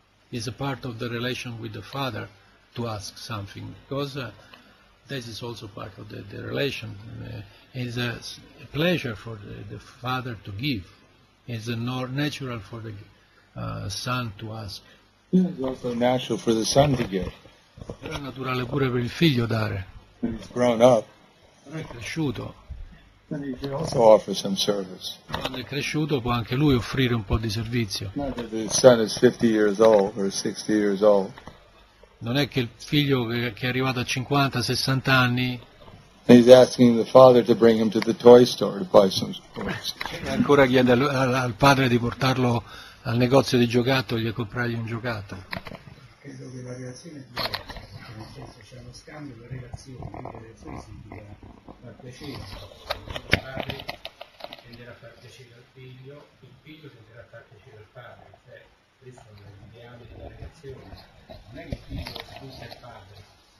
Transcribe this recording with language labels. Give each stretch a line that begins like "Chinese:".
English: It's a part of the relation with the father to ask something, because this is also part of the relation. It's a pleasure for the father to give. It's a natural for the son to ask. It's also natural for the son to give.
Italian: Era naturale pure per il figlio dare.
English: He's grown up.
Italian: Quando è cresciuto.
English: And he can also offer some service.
Italian: Quando è cresciuto può anche lui offrire un po' di servizio.
English: Not that the son is 50 years old or 60 years old.
Italian: Non è che il figlio che è arrivato a 50-60 anni.
English: He's asking the father to bring him to the toy store to buy some toys.
Italian: Ancora chiede al padre di portarlo al negozio di giocattoli a comprargli un giocattolo. Credo che la relazione è diversa, nel senso c'è uno scambio, la relazione significa far piacere al padre, tenderà a far piacere al figlio, il figlio tenderà a far piacere al padre, cioè questo è l'ideale della relazione, non è che il figlio scusa il padre.